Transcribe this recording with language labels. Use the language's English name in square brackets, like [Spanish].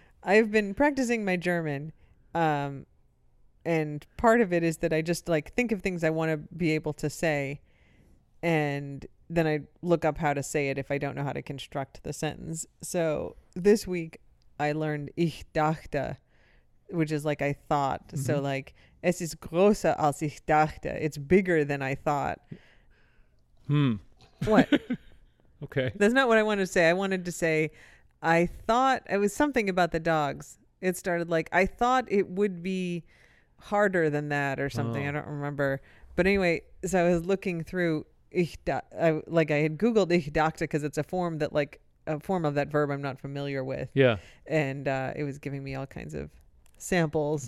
[English] I've been practicing my German, and part of it is that I just like think of things I want to be able to say. And then I look up how to say it if I don't know how to construct the sentence. So this week I learned [German] ich dachte, [English] which is like I thought. Mm-hmm. So like [German] es ist größer als ich dachte. [English] It's bigger than I thought. What? Okay. That's not what I wanted to say. I wanted to say I thought it was something about the dogs. It started like I thought it would be harder than that or something. I don't remember, but anyway, so I was looking through I had googled [German] ich dachte [English] because it's a form of that verb I'm not familiar with, and it was giving me all kinds of samples.